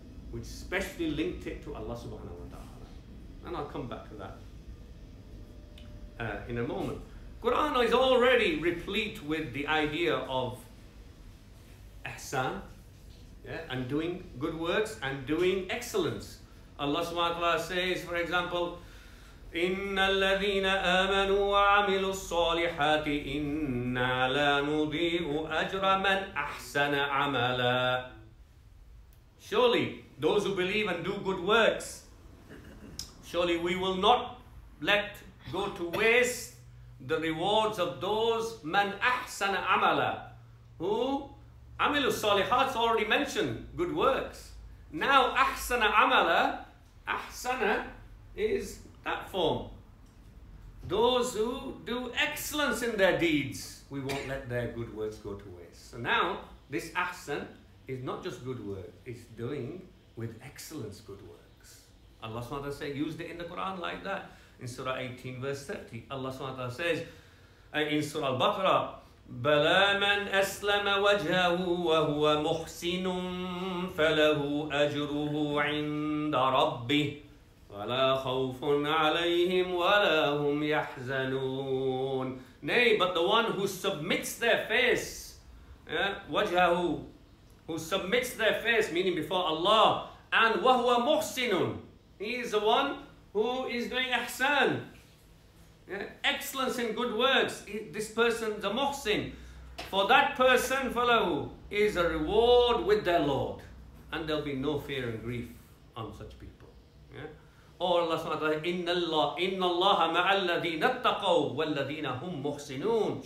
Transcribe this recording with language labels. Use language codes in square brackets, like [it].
[en] Which specially linked it to Allah subhanahu wa ta'ala. And I'll come back to that in a moment. Quran is already replete with the idea of Ihsan, yeah, and doing good works and doing excellence. Allah subhanahu wa ta'ala says, for example, [ar] إِنَّ الَّذِينَ آمَنُوا وَعَمِلُوا الصَّالِحَاتِ إِنَّا لَا نُضِيعُ أَجْرَ مَنْ أَحْسَنَ عَمَلًا. [en] Surely, those who believe and do good works, surely we will not let go to waste the rewards of those [ar] man ahsana amala, [en] who amilu salihat's already mentioned, good works. Now ahsana amala, ahsana is that form. Those who do excellence in their deeds, we won't let their good works go to waste. So now this ahsan is not just good work, it's doing with excellence good works. Allah subhanahu wa ta'ala said, used it in the Quran like that. In Surah 18, verse 30, Allah subhanahu wa ta'ala says, in Surah Al-Baqarah, [ar] بَلَا مَنْ أَسْلَمَ وَجْهَهُ وَهُوَ مُحْسِنٌ فَلَهُ أَجْرُهُ عِنْدَ رَبِّهِ وَلَا خَوْفٌ عَلَيْهِمْ وَلَا هُمْ يَحْزَنُونَ. [en] Nay, but the one who submits their face, وَجْهَهُ, who submits their face, meaning before Allah, and [ar] وَهُوَ مُحْسِنٌ, [en] he is the one who is doing ihsan, excellence in good works. This person, the muhsin, for that person, fellow, is a reward with their Lord. And there'll be no fear and grief on such people. Or Allah subhanahu wa ta'ala, [ar] إِنَّ اللَّهَ مَعَ الَّذِينَ اتَّقَوْا وَالَّذِينَ هُمْ مُحْسِنُونَ.